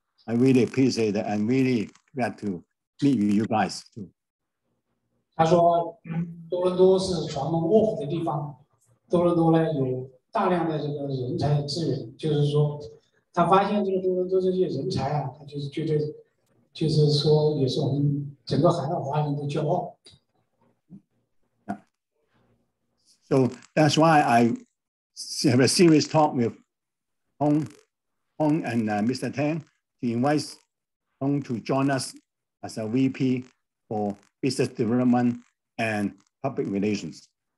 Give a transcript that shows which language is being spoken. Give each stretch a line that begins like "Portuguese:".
English: I really appreciate that. I'm really glad to meet you guys too.
Chinese: 他说多伦多是传统卧虎的地方，多伦多呢有大量的这个人才资源，就是说他发现这个多伦多这些人才啊，他就是觉得，就是说也是我们整个海岛华人的骄傲。
English: So that's why I have a serious talk with Hong and Mr. Tang to invite Hong to join us as a VP for business development and public relations.